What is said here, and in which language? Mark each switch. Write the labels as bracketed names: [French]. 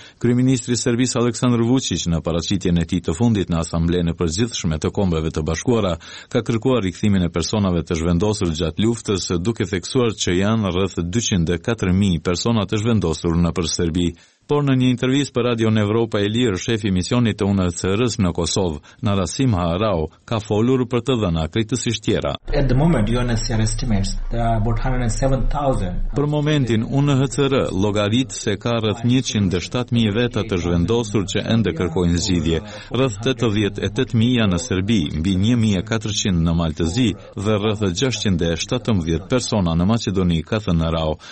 [Albanian] Kryeministri Serbis Aleksandar Vučić në paraqitjen e tij të fundit në asamblenë përgjithshme të Kombeve të Bashkuara ka kërkuar rikthimin e personave të zhvendosur gjatë luftës duke theksuar që janë rreth 204.000 persona të zhvendosur nëpër Serbi. Por në një intervistë për Radio Evropa e Lirë, shefi misionit të UNHCR-s në Kosovë, Narasim Harau, ka folur për të dhëna krejtësisht tjera. [English] At the moment UNHCR estimates there are about 107,000. [Albanian] Për momentin UNHCR llogarit se ka rreth 107,000 veta të zhvendosur që ende kërkojnë zgjidhje. Rreth 88,000 janë në Serbi, mbi 1,400 në Maltëzi dhe rreth 617 persona në Maqedoni, ka thënë Harau.